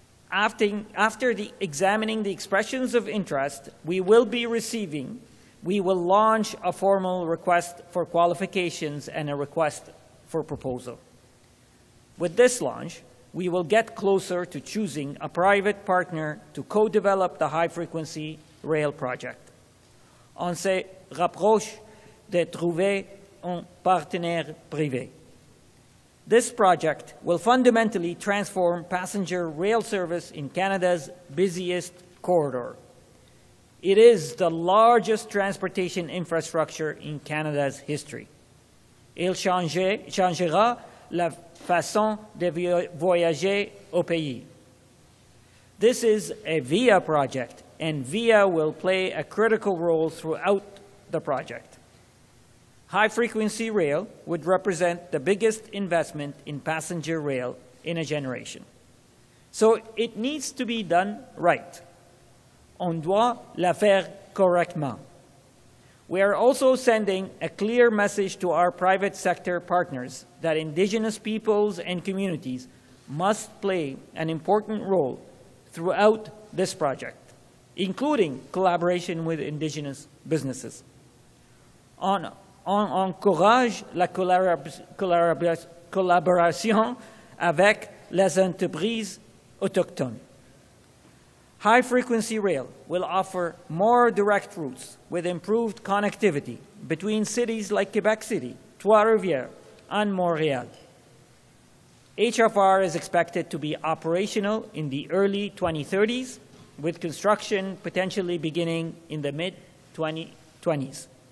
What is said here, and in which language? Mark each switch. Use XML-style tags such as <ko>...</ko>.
<en>After examining the expressions of interest, we will launch a formal request for qualifications and a request for proposal. With this launch, we will get closer to choosing a private partner to co-develop the high-frequency rail project.</en> <fr>On se rapproche de trouver un partenaire privé.</fr> <en>This project will fundamentally transform passenger rail service in Canada's busiest corridor. It is the largest transportation infrastructure in Canada's history.</en> <fr>Il changera la façon de voyager au pays.</fr> <en>This is a VIA project, and VIA will play a critical role throughout the project. High-frequency rail would represent the biggest investment in passenger rail in a generation. So it needs to be done right.</en> <fr>On doit la faire correctement.</fr> <en>We are also sending a clear message to our private sector partners that Indigenous peoples and communities must play an important role throughout this project, including collaboration with Indigenous businesses.</en> <fr>On encourage la collaboration avec les entreprises autochtones.</fr> <en>High-frequency rail will offer more direct routes with improved connectivity between cities like Quebec City, Trois-Rivières, and Montreal. HFR is expected to be operational in the early 2030s, with construction potentially beginning in the mid-2020s.</en>